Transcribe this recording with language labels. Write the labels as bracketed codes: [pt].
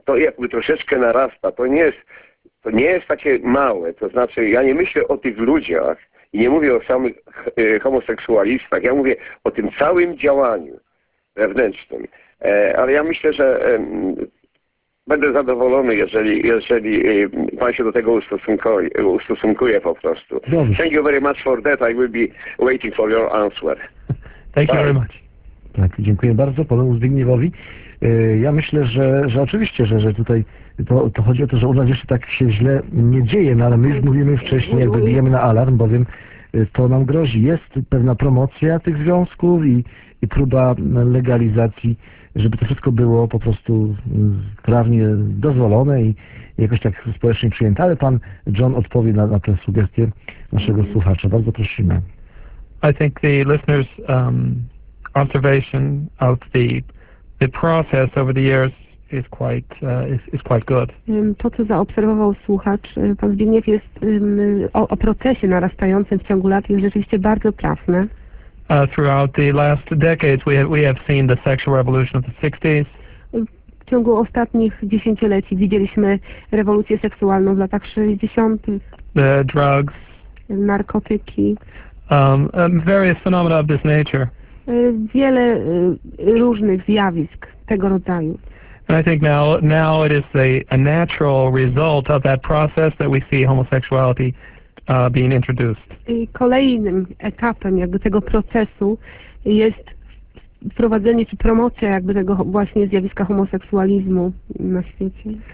[pl] To jakby troszeczkę narasta, to nie jest takie małe, to znaczy ja nie myślę o tych ludziach. I nie mówię o samych homoseksualistach, ja mówię o tym całym działaniu wewnętrznym. Ale ja myślę, że będę zadowolony, jeżeli pan się do tego ustosunkuje po prostu. Dobrze. [en] Thank you very much for that. I will be waiting for your answer. Thank you very much. [pl] Tak, dziękuję bardzo panu Zbigniewowi. Ja myślę, że oczywiście, że tutaj to chodzi o to, że u nas jeszcze tak się źle nie dzieje, no ale my już mówimy wcześniej, jakby bijemy na alarm, bowiem to nam grozi. Jest pewna promocja tych związków i próba legalizacji, żeby to wszystko było po prostu prawnie dozwolone i jakoś tak społecznie przyjęte. Ale pan John odpowie na tę sugestię naszego słuchacza. Bardzo prosimy. [en] I think the listeners' observation of the process over the years is quite good. [pl] To, co zaobserwował słuchacz, pan Zbigniew, jest o procesie narastającym w ciągu lat, jest rzeczywiście bardzo trafne. [en] Throughout the last decades we have seen the sexual revolution of the 60s. [pl] W ciągu ostatnich dziesięcioleci widzieliśmy rewolucję seksualną w latach 60. [en] The drugs. [pl] Narkotyki. [en] Various phenomena of this nature. [pl] wiele różnych zjawisk tego rodzaju. [en] And I think now it is a natural result of that process that we see homosexuality being introduced. [pl] I kolejnym etapem jakby tego procesu jest wprowadzenie czy promocja jakby tego właśnie zjawiska homoseksualizmu na świecie.